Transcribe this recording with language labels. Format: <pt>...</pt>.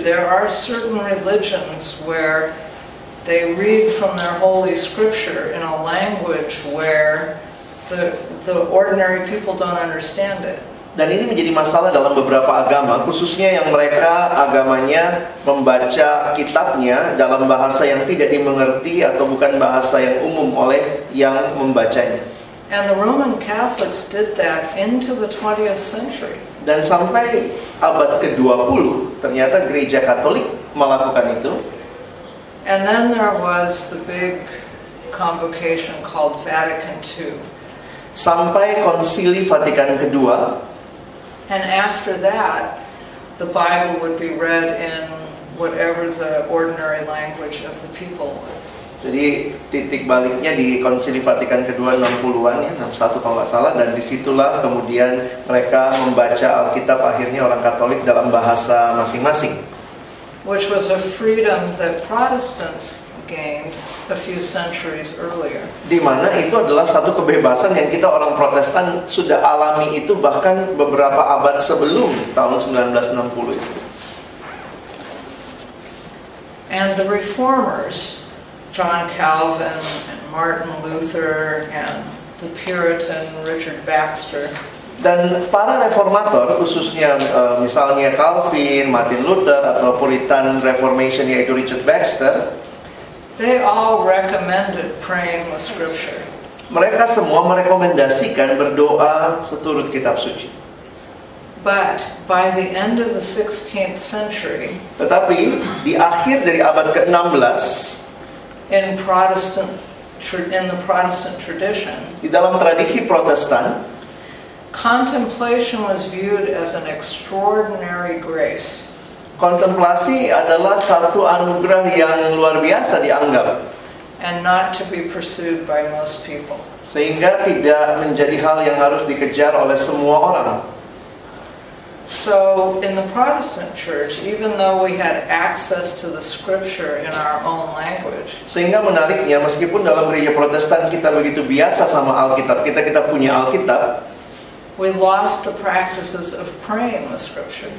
<en>There are certain religions where they read from their holy scripture in a language where the ordinary people don't understand it.</en> <id>Dan ini menjadi masalah dalam beberapa agama, khususnya yang mereka agamanya membaca kitabnya dalam bahasa yang tidak dimengerti atau bukan bahasa yang umum oleh yang membacanya.</id> <en>And the Roman Catholics did that into the 20th century.</en> <id>Dan sampai abad ke-20 ternyata gereja Katolik melakukan itu.</id> <en>And then there was the big convocation called Vatican II.</en> <id>Sampai Konsili Vatikan Kedua.</id> <en>And after that, the Bible would be read in whatever the ordinary language of the people was.</en> <id>Jadi titik baliknya di Konsili Vatikan Kedua 60-an ya, 61 kalau nggak salah, dan disitulah kemudian mereka membaca Alkitab akhirnya orang Katolik dalam bahasa masing-masing.</id> <en>Which was a freedom that Protestants gained a few centuries earlier.</en> <id>Di mana itu adalah satu kebebasan yang kita orang Protestan sudah alami itu bahkan beberapa abad sebelum tahun 1960 itu.</id> <en>And the reformers, John Calvin and Martin Luther and the Puritan Richard Baxter.</en> <id>Dan para reformator khususnya misalnya Calvin, Martin Luther atau Puritan Reformation yaitu Richard Baxter.</id> <en>They all recommended praying with scripture.</en> <id>Mereka semua merekomendasikan berdoa seturut kitab suci.</id> <en>But by the end of the 16th century,</en> <id>tetapi di akhir dari abad ke-16</id> <en>in the Protestant tradition,</en> <id>di dalam tradisi Protestan,</id> <en>contemplation was viewed as an extraordinary grace.</en> <id>Kontemplasi adalah satu anugerah yang luar biasa dianggap.</id> <en>And not to be pursued by most people.</en> <id>Sehingga tidak menjadi hal yang harus dikejar oleh semua orang.</id> <en>So in the Protestant church, even though we had access to the scripture in our own language.</en> <id>Sehingga menariknya meskipun dalam gereja Protestan kita begitu biasa sama Alkitab, kita punya Alkitab.</id> <en>We lost the practices of praying with scripture.</en>